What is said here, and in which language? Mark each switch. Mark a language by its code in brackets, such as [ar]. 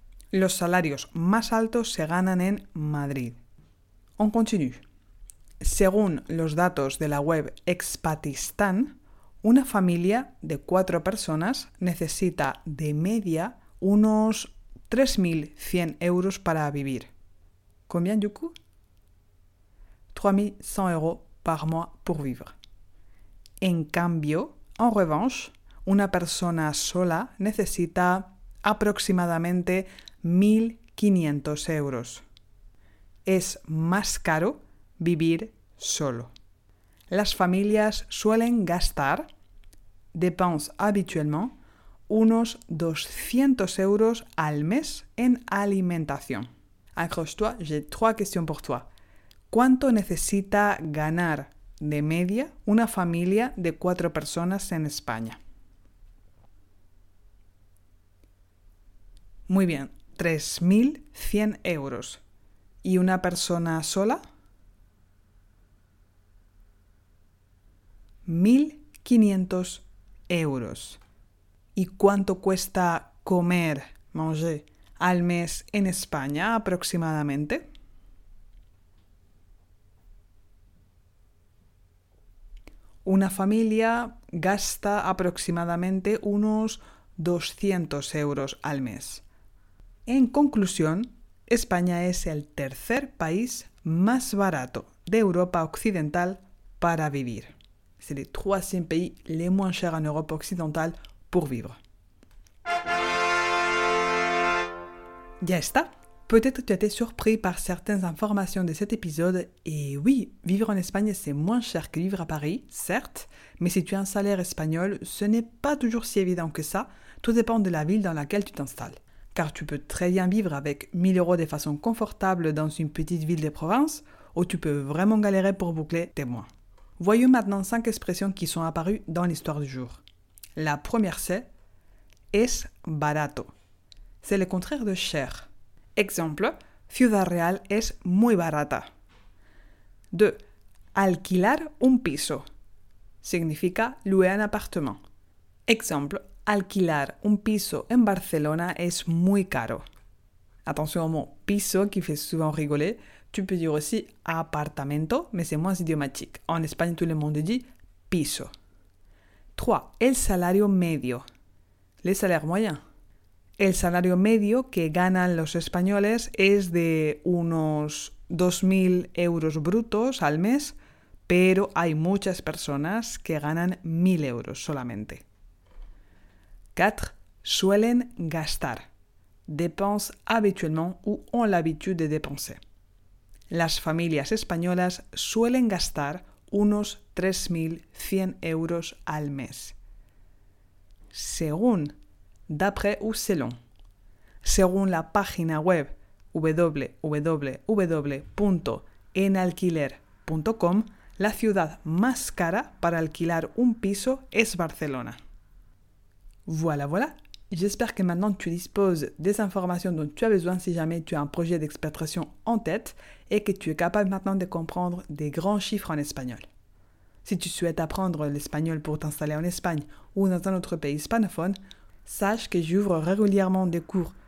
[es] Los salarios más altos se ganan en Madrid. [fr] On continue. [es] Según los datos de la web Expatistan, una familia de 4 personas necesita de media unos 3.100 euros para vivir. [fr] Combien du coup? 3.100 euros par mois pour vivre. [es] En cambio, [fr] en revanche, [es] una persona sola necesita aproximadamente 1.500 euros. Es más caro vivir solo. Las familias suelen gastar, [fr] dépense habituellement, [es] unos 200 euros al mes en alimentación. [fr] Accroche-toi, j'ai trois questions pour toi. [es] ¿Cuánto necesita ganar de media una familia de 4 personas en España? Muy bien, 3.100 euros. ¿Y una persona sola? 1.500 euros. ¿Y cuánto cuesta comer, manger, al mes en España aproximadamente? Una familia gasta aproximadamente unos 200 euros al mes. En conclusión, España es el tercer país más barato de Europa Occidental para vivir. [fr] C'est le troisième pays le moins cher en Europe occidentale pour vivre. [es] Ya está. [fr] Peut-être que tu as été surpris par certaines informations de cet épisode. Et oui, vivre en Espagne, c'est moins cher que vivre à Paris, certes. Mais si tu as un salaire espagnol, ce n'est pas toujours si évident que ça. Tout dépend de la ville dans laquelle tu t'installes. Car tu peux très bien vivre avec 1000 euros de façon confortable dans une petite ville de province, ou tu peux vraiment galérer pour boucler tes mois. Voyons maintenant 5 expressions qui sont apparues dans l'histoire du jour. La première c'est « es barato ». C'est le contraire de « cher ». [es] Exemple, Ciudad Real es muy barata. 2. Alquilar un piso. Significa [fr] louer un appartement. [es] Exemple, alquilar un piso en Barcelona es muy caro. [fr] Attention au mot piso qui fait souvent rigoler. Tu peux dire aussi apartamento, mais c'est moins idiomatique. En Espagne, tout le monde dit piso. [es] 3. El salario medio. [fr] Le salaire moyen. [es] El salario medio que ganan los españoles es de unos 2.000 euros brutos al mes, pero hay muchas personas que ganan 1.000 euros solamente. 4. Suelen gastar. [fr] Dépense habituellement ou ont l'habitude de dépenser. [es] Las familias españolas suelen gastar unos 3.100 euros al mes. Según, [fr] d'après ou selon. [es] Según la página web www.enalquiler.com, la ciudad más cara para alquilar un piso es Barcelona. [fr] Voilà, voilà. J'espère que maintenant tu disposes des informations dont tu as besoin si jamais tu as un projet d'expatriation en tête et que tu es capable maintenant de comprendre des grands chiffres en espagnol. Si tu souhaites apprendre l'espagnol pour t'installer en Espagne ou dans un autre pays hispanophone, sache que j'ouvre régulièrement des cours